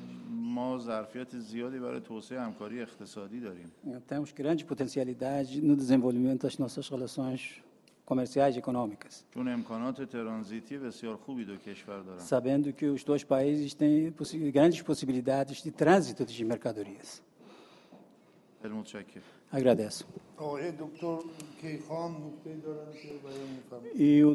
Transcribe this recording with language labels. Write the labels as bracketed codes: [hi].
[fa] ما ظرفیت زیادی برای توسعه همکاری اقتصادی داریم. [pt] Temos grande potencialidade no desenvolvimento das nossas relações comerciais e econômicas. [fa] چون امکانات ترانزیتی بسیار خوبی دو کشور دارن. [pt] Sabendo que os dois países têm grandes possibilidades de trânsito de mercadorias. [fa] خیلی متشکرم. [pt] Agradeço. [fa] آقای دکتر کیخان نکته‌ای دارن که بیان می‌کنم.